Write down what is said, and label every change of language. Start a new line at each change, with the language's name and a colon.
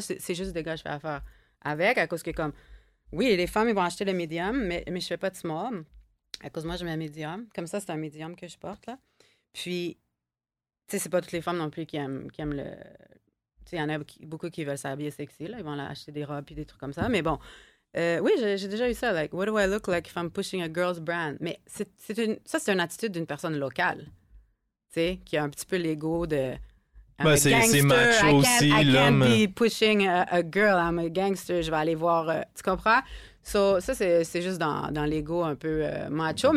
French: C'est juste des gars que je fais affaire avec à cause que comme... Oui, les femmes, ils vont acheter le médium, mais je fais pas de small. À cause moi, je mets un médium. Comme ça, c'est un médium que je porte, là. Puis, tu sais, c'est pas toutes les femmes non plus qui aiment le... Tu sais, il y en a beaucoup qui veulent s'habiller sexy, là. Ils vont acheter des robes et des trucs comme ça. Mais bon, Oui, j'ai déjà eu ça.
English: Like, what do I look like if I'm pushing a girl's brand?
French: Mais c'est une attitude d'une personne locale, tu sais, qui a un petit peu l'ego de. Ben, c'est macho aussi, l'homme.
English: I can't be pushing a girl. I'm a gangster.
French: Je vais aller voir. Tu comprends? So, ça, c'est juste dans l'ego un peu macho. Okay.